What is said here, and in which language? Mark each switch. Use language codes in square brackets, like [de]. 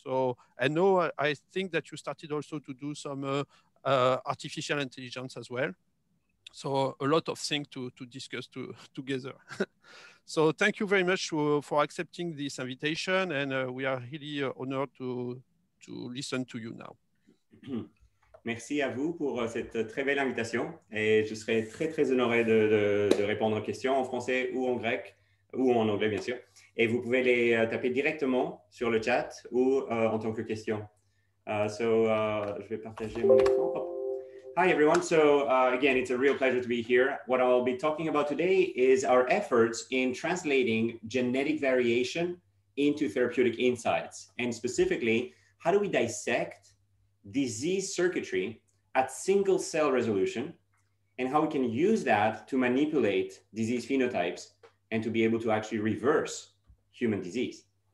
[en] So I know I think that you started also to do some artificial intelligence as well. So a lot of things to discuss together. So thank you very much for accepting this invitation, and we are really honored to listen to you now. [fr] Merci à vous pour cette très belle invitation et je serai très très honoré de répondre aux questions en français ou en grec ou en anglais bien sûr, et vous pouvez les taper directement sur le chat ou en tant que question. Je vais partager mon écran. [en] Hi everyone, again it's a real pleasure to be here. What I'll be talking about today is our efforts in translating genetic variation into therapeutic insights, and specifically how do we dissect disease circuitry at single cell resolution and how we can use that to manipulate disease phenotypes and to be able to actually reverse human disease.